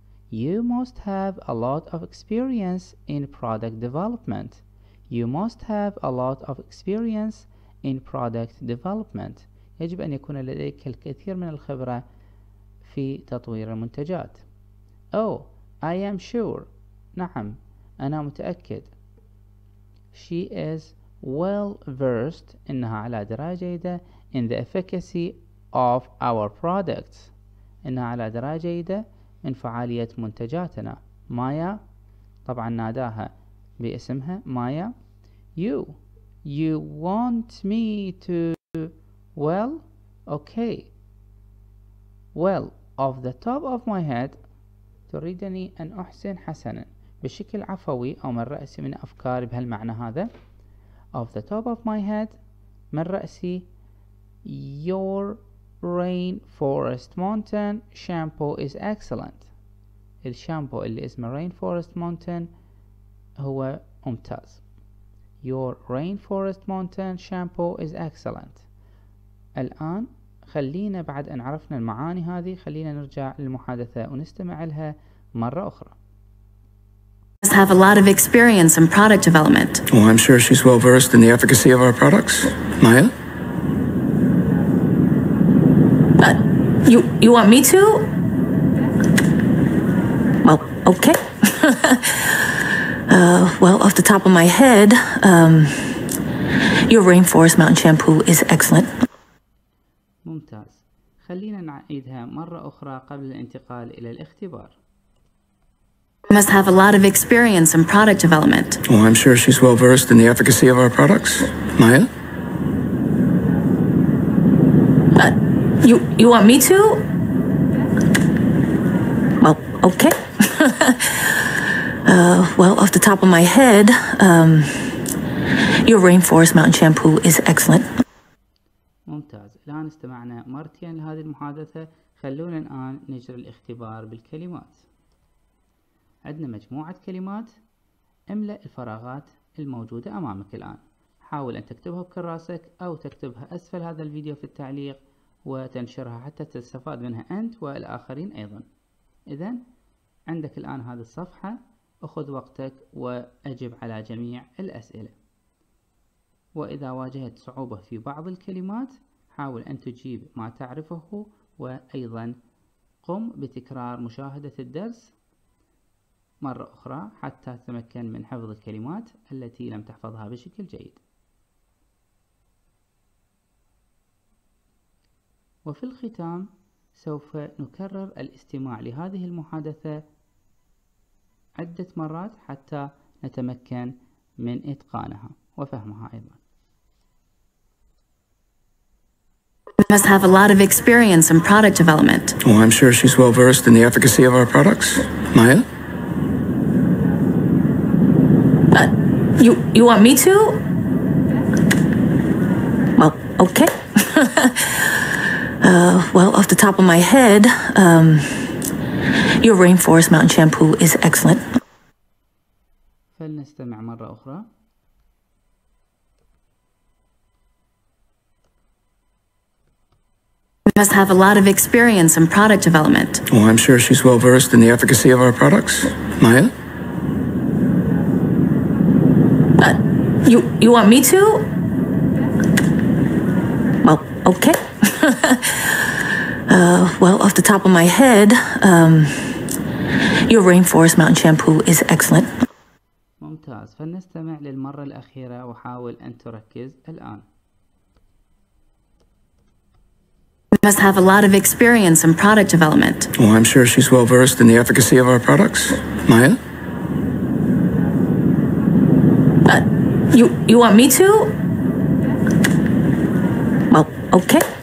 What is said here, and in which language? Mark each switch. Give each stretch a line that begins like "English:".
English: You must have a lot of experience in product development. You must have a lot of experience in product development.
Arabic: يجب أن يكون لديك الكثير من الخبرة في تطوير المنتجات.
English: Oh, I am sure.
Arabic: نعم، أنا متأكد.
English: She is well versed.
Arabic: إنها على دراية جيدة.
English: In the efficacy of our products.
Arabic: إنها على دراية جيدة من فعالية منتجاتنا.
English: Maya.
Arabic: طبعا ناداها باسمها Maya.
English: You want me to. Well, okay. Well. Off the top of my head.
Arabic: تريدني أن أحسن حسنا بشكل عفوي أو من رأسي من أفكاري بهالمعنى هذا.
English: Off the top of my head.
Arabic: من رأسي.
English: Your Rainforest Mountain Shampoo is excellent.
Arabic: الشامبو اللي اسمه Rainforest Mountain هو ممتاز.
English: Your Rainforest Mountain Shampoo is excellent.
Arabic: الآن خلينا بعد أن عرفنا المعاني هذه خلينا نرجع للمحادثة ونستمع لها مرة أخرى.
English: Must have a lot of experience in product development. Well, I'm sure she's well versed in the efficacy of our products. Maya? You want me to? Well, okay. well, off the top of my head, your Rainforest Mountain Shampoo is excellent.
Arabic: ممتاز. خلينا نعيدها مرة أخرى قبل الانتقال إلى الاختبار.
English: Must have a lot of experience in product development. Well, I'm sure she's well versed in the efficacy of our products. Maya? You want me to? Well, okay. well, off the top of my head, your Rainforest Mountain Shampoo is excellent.
Arabic: ممتاز. الآن استمعنا مرتين لهذه المحادثة، خلونا الآن نجري الاختبار بالكلمات. عندنا مجموعة كلمات، املأ الفراغات الموجودة أمامك الآن. حاول أن تكتبها بكراسك أو تكتبها أسفل هذا الفيديو في التعليق وتنشرها حتى تستفاد منها أنت والآخرين أيضا. إذن عندك الآن هذه الصفحة، أخذ وقتك وأجب على جميع الأسئلة. وإذا واجهت صعوبة في بعض الكلمات، حاول أن تجيب ما تعرفه، وأيضا قم بتكرار مشاهدة الدرس مرة أخرى حتى تتمكن من حفظ الكلمات التي لم تحفظها بشكل جيد. وفي الختام سوف نكرر الاستماع لهذه المحادثة عدة مرات حتى نتمكن من إتقانها وفهمها أيضا.
English: Must have a lot of experience in product development. Oh, I'm sure she's well versed in the efficacy of our products. Maya? You want me to? Well, okay. Well, off the top of my head, your Rainforest Mountain Shampoo is excellent.
Arabic: فلنستمع مرة أخرى.
English: Must have a lot of experience in product development. Oh, I'm sure she's well versed in the efficacy of our products. Maya? You want me to? Well, okay. Well, off the top of my head, your Rainforest Mountain Shampoo is excellent.
Arabic: ممتاز. فلنستمع للمرة الأخيرة وحاول أن تركز الآن.
English: Must have a lot of experience in product development. Oh, I'm sure she's well versed in the efficacy of our products. Maya? You want me to? Well, okay.